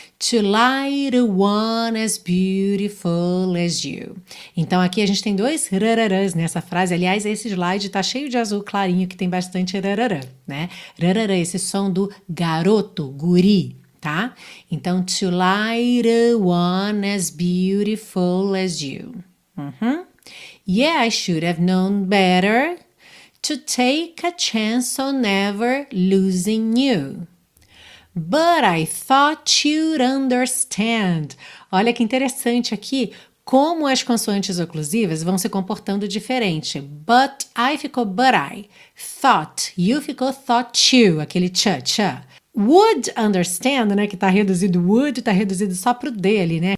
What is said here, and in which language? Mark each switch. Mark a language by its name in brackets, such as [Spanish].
[English] To light a one as beautiful as you. [Portuguese] Então, aqui a gente tem dois rararãs nessa frase. Aliás, esse slide tá cheio de azul clarinho, que tem bastante rararã, né? Rararã, esse som do garoto, guri, tá? [English] Então, to light a one as beautiful as you. Uhum. Yeah, I should have known better. To take a chance on never losing you. But I thought you'd understand. [Portuguese] Olha que interessante aqui como as consoantes oclusivas vão se comportando diferente. [English] But I [Portuguese] ficou [English] but I. Thought you ficou thought you, [Portuguese] aquele cha-cha. [English] Would understand, [Portuguese] né? Que tá reduzido would, tá reduzido só pro D ali, né?